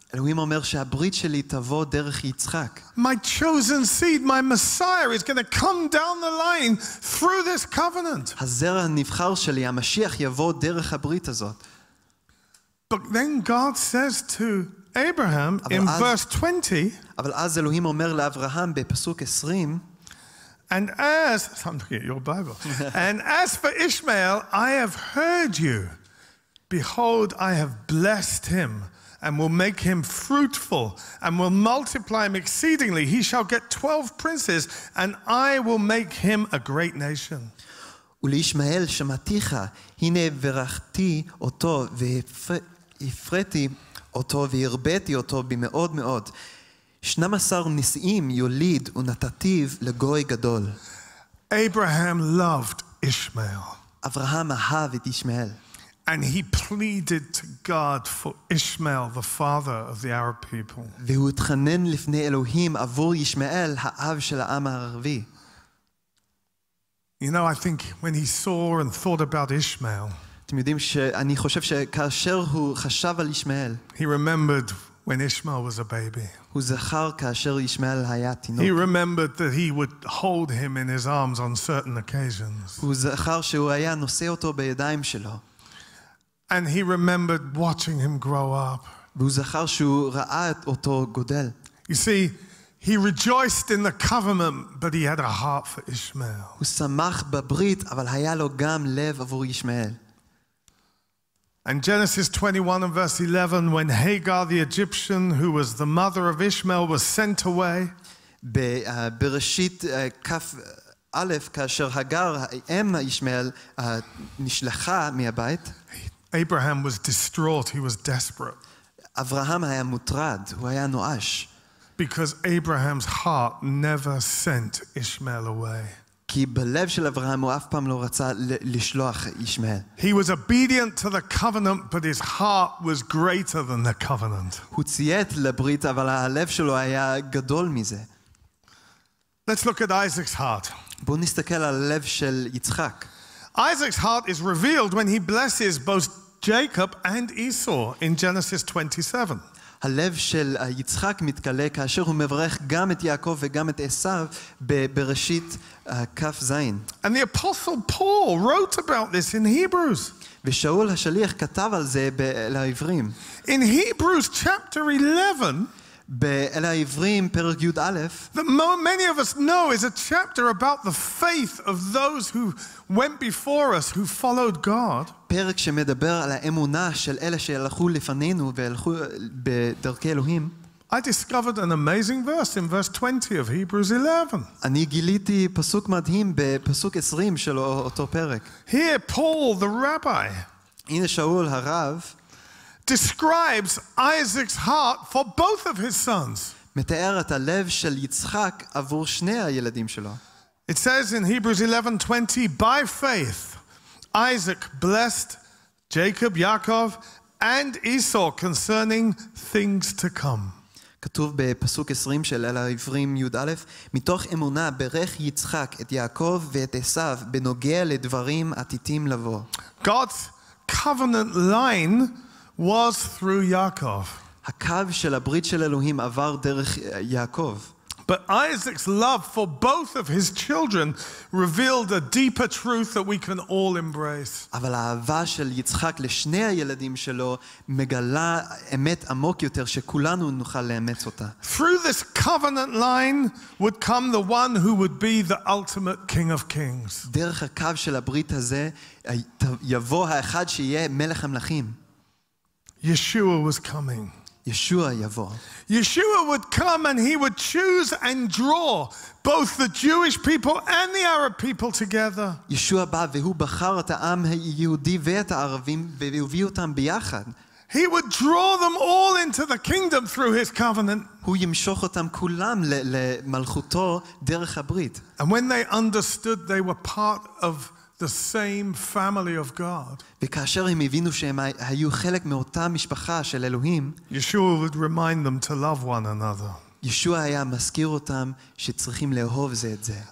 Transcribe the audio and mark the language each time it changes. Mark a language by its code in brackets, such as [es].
[he] אלוהים אומר שהברית שלי תבוא דרך יצחק. [en] My chosen seed, my Messiah, is going to come down the line through this covenant. [he] הזרע הנבחר שלי, המשיח, יבוא דרך הברית הזאת. [en] But then God says to Abraham in verse 20. [he] אבל אז אלוהים אומר לאברהם בפסוק 20. [en] And as, I'm looking at your Bible. And as for Ishmael, I have heard you. Behold, I have blessed him and will make him fruitful and will multiply him exceedingly. He shall get 12 princes and I will make him a great nation. [he] ולישמעאל שמעתיך, הנה ברכתי אותו והפרתי אותו והרבתי אותו במאוד מאוד. 12 נשאים יוליד ונתתיו לגוי גדול. [en] Abraham loved Ishmael. [he] אברהם אהב את ישמעאל. [en] And he pleaded to God for Ishmael, the father of the Arab people. [he] והוא התחנן לפני אלוהים עבור ישמעאל, האב של העם הערבי. [en] You know, I think when he saw and thought about Ishmael, [he] אתם יודעים שאני חושב שכאשר הוא חשב על ישמעאל, [en] he remembered when Ishmael was a baby. [he] הוא זכר כאשר ישמעאל היה תינוק. [en] He remembered that he would hold him in his arms on certain occasions. [he] הוא זכר שהוא היה נושא אותו בידיים שלו. [en] And he remembered watching him grow up. [he] והוא זכר שהוא ראה אותו גודל. [en] You see, he rejoiced in the covenant, but he had a heart for Ishmael. [he] הוא שמח בברית, אבל היה לו גם לב עבור ישמעאל. [en] And Genesis 21 and verse 11, when Hagar the Egyptian, who was the mother of Ishmael, was sent away. [he] בראשית כף א', כאשר הגר, אם ישמעאל, נשלחה מהבית. [en] Abraham was distraught, he was desperate. [he] אברהם היה מוטרד, הוא היה נואש. [en] Because Abraham's heart never sent Ishmael away. [he] כי בלב של אברהם הוא אף פעם לא רצה לשלוח ישמעאל. [en] He was obedient to the covenant, but his heart was greater than the covenant. [he] הוא ציית לברית, אבל הלב שלו היה גדול מזה. [en] Let's look at Isaac's heart. [he] בוא נסתכל על הלב של יצחק. [en] Isaac's heart is revealed when he blesses both Jacob and Esau in Genesis 27. [he] הלב של יצחק מתגלה כאשר הוא מברך גם את יעקב וגם את עשיו בבראשית כף זין. [en] And the apostle Paul wrote about this in Hebrews. [he] ושאול השליח כתב על זה לעברים. [en] In Hebrews chapter 11, [he] באל העברים פרק י' א', [en] that many of us know is a chapter about the faith of those who went before us, who followed God. [he] פרק שמדבר על האמונה של אלה שהלכו לפנינו והלכו בדרכי אלוהים. [en] I discovered an amazing verse in verse 20 of Hebrews 11. [he] אני גיליתי פסוק מדהים בפסוק 20 של אותו פרק. [en] Here Paul the rabbi, [he] הנה שאול הרב, [en] describes Isaac's heart for both of his sons. [he] מתאר את הלב של יצחק עבור שני הילדים שלו. [en] It says in Hebrews 11:20, by faith Isaac blessed Jacob, Yaakov, and Esau concerning things to come. [he] כתוב בפסוק 20 של אל העברים י"א, מתוך אמונה ברך יצחק את יעקב ואת עשיו בנוגע לדברים עתידים לבוא. [en] God's covenant line was through Yaakov. [he] הקו של הברית של אלוהים עבר דרך יעקב. [en] But Isaac's love for both of his children revealed a deeper truth that we can all embrace. [he] אבל האהבה של יצחק לשני הילדים שלו מגלה אמת עמוק יותר שכולנו נוכל לאמץ אותה. [en] Through this covenant line would come the one who would be the ultimate king of kings. [he] דרך הקו של הברית הזה יבוא האחד שיהיה מלך המלכים. [en] Yeshua was coming. [he] Yeshua יבוא. [en] Yeshua would come and he would choose and draw both the Jewish people and the Arab people together. [he] Yeshua בא והוא בחר את העם היהודי ואת הערבים והביא אותם ביחד. [en] He would draw them all into the kingdom through his covenant. [he] הוא ימשוך אותם כולם למלכותו דרך הברית. [en] And when they understood they were part of the same family of God. [he] וכאשר הם הבינו שהם היו חלק מאותה משפחה של אלוהים, [en] Yeshua would remind them to love one another. [he] ישועה היה מזכיר אותם שצריכים לאהוב זה את זה.